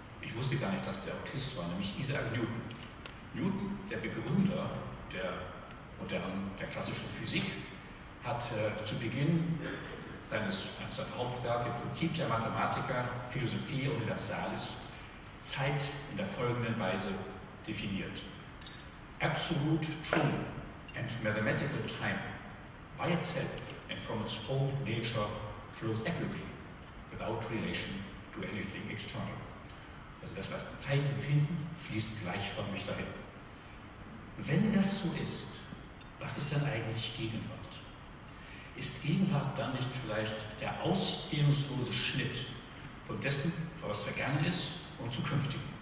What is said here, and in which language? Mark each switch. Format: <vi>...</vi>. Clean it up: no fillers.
<de>Ich wusste gar nicht, dass der Autist war, nämlich Isaac Newton. Newton, der Begründer der modernen, der klassischen Physik, hat zu Beginn seines Hauptwerk, im Prinzip der Mathematiker, Philosophie Universalis, Zeit in der folgenden Weise definiert.</de> <en>Absolute true and mathematical time by itself and from its own nature flows equally without relation to anything external.</en> <de>Also das, was Zeit empfinden, fließt gleichförmig dahin. Wenn das so ist, was ist dann eigentlich Gegenwart? Ist Gegenwart dann nicht vielleicht der ausdehnungslose Schnitt von dessen, was vergangen ist und zukünftig?</de>